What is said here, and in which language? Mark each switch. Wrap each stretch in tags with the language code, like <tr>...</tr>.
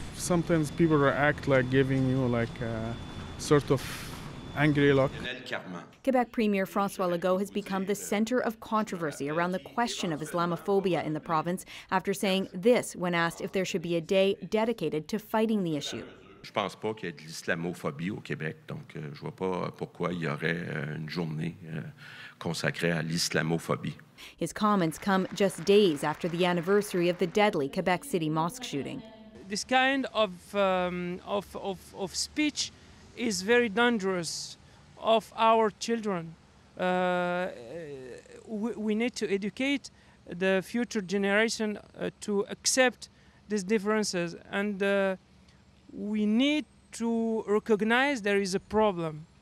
<en>Sometimes people react like giving you like a sort of angry look. Quebec Premier François Legault has become the center of controversy around the question of Islamophobia in the province after saying this when asked if there should be a day dedicated to fighting the issue.</en> <fr>Je pense pas qu'il y ait de l'islamophobie au Québec, donc je vois pas pourquoi il y aurait une journée consacrée à l'islamophobie.</fr> <en>His comments come just days after the anniversary of the deadly Quebec City mosque shooting. This kind of speech is very dangerous of our children. We need to educate the future generation to accept these differences, and we need to recognize there is a problem.</en>